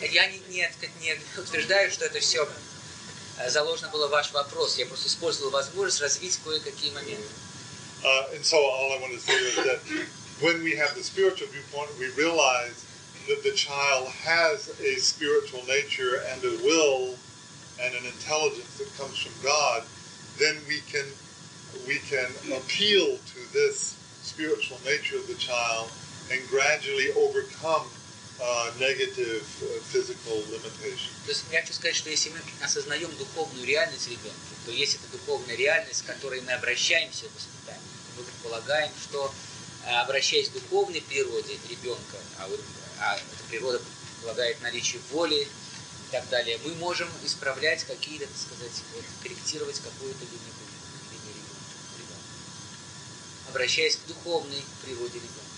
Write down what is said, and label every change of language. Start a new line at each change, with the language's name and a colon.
Russian: Я не утверждаю, что это все заложено было ваш вопрос. Я просто использовал возможность развить кое-какие моменты.
English: And so all I want to say is that when we have the spiritual viewpoint, we realize that the child has a spiritual nature and a will and an intelligence that comes from God, then we can appeal to this spiritual nature of the child and gradually overcome negative physical limitations.
Russian: То есть я хочу сказать, что если мы осознаем духовную реальность ребенка, то есть эта духовная реальность, к которой мы обращаемся в воспитании, мы предполагаем, что обращаясь к духовной природе ребенка, а эта природа предполагает наличие воли и так далее, мы можем исправлять какие-то, так сказать, вот, корректировать какую-то линию ребенка, обращаясь к духовной природе ребенка.